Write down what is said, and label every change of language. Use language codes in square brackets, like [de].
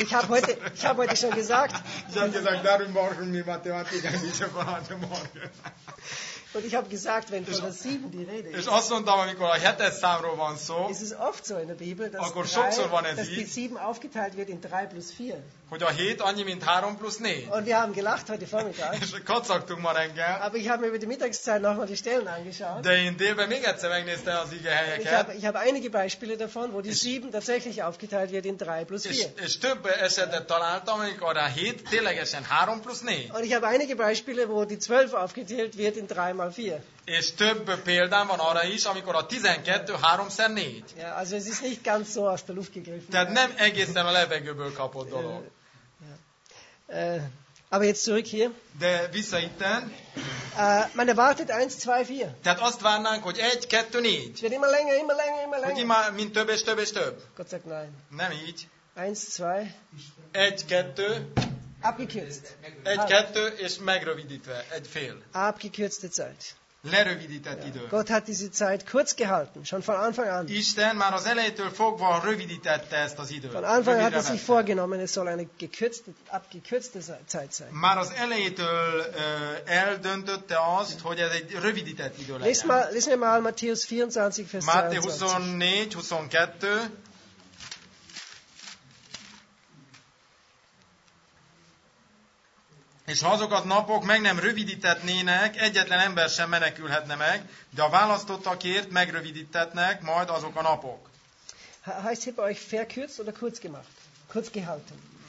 [de] Ich hab heute schon gesagt. Ich habe gesagt, darum brauchen wir Mathematik, diese Frage morgen. Und ich habe gesagt, wenn von der sieben die Rede ist. [hu] És azt mondtam, amikor a hetes számról van szó. [de] Ist es oft so in der Bibel, dass die sieben aufgeteilt wird in 3 plus 4. [hu] Hogy a hét annyi, mint 3 plus 4. [de] Und wir haben gelacht heute Vormittag. [hu] És kacagtunk ma reggel. [de] Aber ich habe mir über die Mittagszeit nochmal die Stellen angeschaut. [hu] De én délben még egyszer megnéztem az ige helyeket. [de] Ich habe einige Beispiele davon, wo die sieben tatsächlich aufgeteilt wird in 3 plus 4. [hu] És több esetet találtam, amikor a hét ténylegesen 3 plus 4. [de] Und ich habe einige Beispiele, wo die 12 aufgeteilt wird in 3 mal 4. [hu] És több példám van arra is, amikor a 12 háromszer négy. [de] Ja, also es ist nicht ganz so aus der Luft gegriffen. [hu] Tehát nem egészen a levegőből kapott dolog. [de] Aber jetzt zurück hier. [hu] De vissza itten. [de] Man erwartet 1, 2, 4. [hu] Tehát azt várnánk, hogy 1, 2, 4. [de] Wird immer länger, immer länger, immer länger. [hu] Hogy immer, mint több és több és több. [de] Gott sagt nein. [hu] Nem így. [de] 1, 2. [hu] 1, 2. [de] Abgekürzt. [hu] 1, 2 és megrövidítve, egy fél. [de] Abgekürzte Zeit. [hu] Lerövidített idő. [de] Gott hat diese Zeit kurz gehalten, schon von Anfang an. [hu] Isten már az elejétől fogva rövidítette ezt az időt. [de] Von Anfang an hat er sich vorgenommen, es soll eine abgekürzte Zeit sein. [hu] Már az elejétől eldöntötte azt, hogy ez egy rövidített idő legyen. [de] Lesz mir mal Matthäus 24, Vers [hu] 23. Máté 24, 22. És ha azokat napok meg nem rövidítetnének, egyetlen ember sem menekülhetne meg, de a választottakért megrövidítetnek majd azok a napok. [de] Heißt hier bei euch verkürzt oder kurz gemacht? Kurz gehalten.